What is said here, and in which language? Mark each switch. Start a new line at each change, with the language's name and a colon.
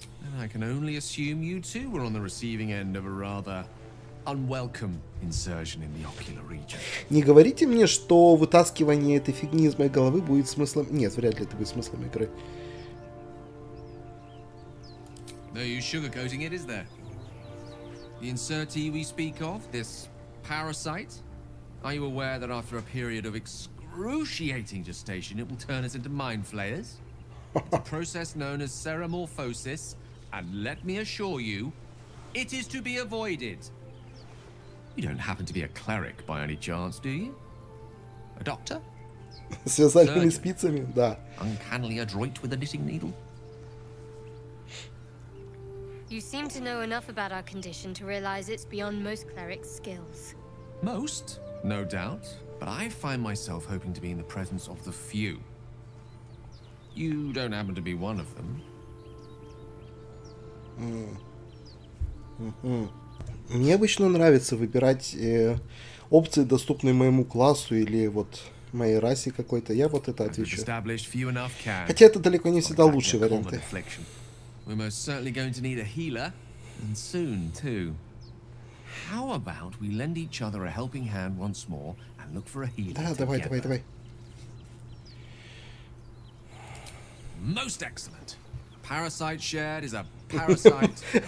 English: And I can only assume you too were on the receiving end of a rather... Unwelcome insertion in the ocular region.
Russian: Не говорите мне, что вытаскивание этой фигни из моей головы будет смыслом... Нет, вряд ли это будет смыслом игры.
English: No use sugarcoating it, is there? The insertee we speak of, this parasite, are you aware that after a period of excruciating gestation, it will turn us into mind flayers? It's a process known as seramorphosis, and let me assure you, it is to be avoided. You don't happen to be a cleric by any chance, do you? A doctor?
Russian: Связанными спицами, да.
English: Uncannily adroit with a knitting needle. You seem to know enough about our condition to realize it's beyond most cleric's skills. Most, no doubt, but I find myself hoping to be in the presence of the few. You don't happen to be one of them.
Russian: Мне обычно нравится выбирать опции, доступные моему классу или вот моей расе какой-то. Я вот это отвечу. Хотя это далеко не всегда лучшие варианты.
English: We're most certainly going to need a healer, and soon too. How about we lend each other a helping hand once more and look for a healer?
Russian: Да, давай, давай, давай.
English: Most excellent. Parasite shared is a parasite.